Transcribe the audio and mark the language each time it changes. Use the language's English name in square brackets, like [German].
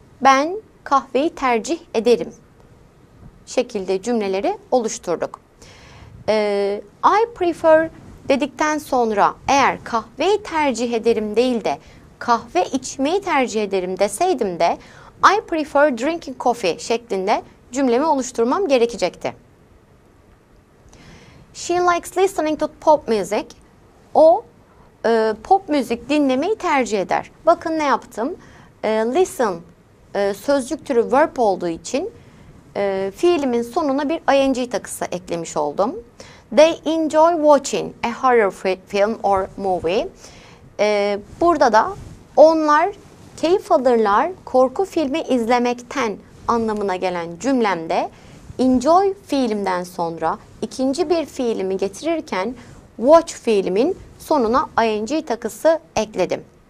[Turkish] Ben kahveyi tercih ederim şekilde cümleleri oluşturduk. I prefer dedikten sonra eğer kahveyi tercih ederim değil de kahve içmeyi tercih ederim deseydim de [English] I prefer drinking coffee [Turkish] şeklinde cümlemi oluşturmam gerekecekti. [English] She likes listening to pop music. [Turkish] O pop müzik dinlemeyi tercih eder. Bakın ne yaptım. Listen sözcük türü verb olduğu için fiilimin sonuna bir ing takısı eklemiş oldum. [English] They enjoy watching a horror film or movie. [Turkish] Burada da onlar keyif alırlar korku filmi izlemekten anlamına gelen cümlemde enjoy fiilimden sonra ikinci bir fiilimi getirirken watch fiilimin sonuna ing takısı ekledim.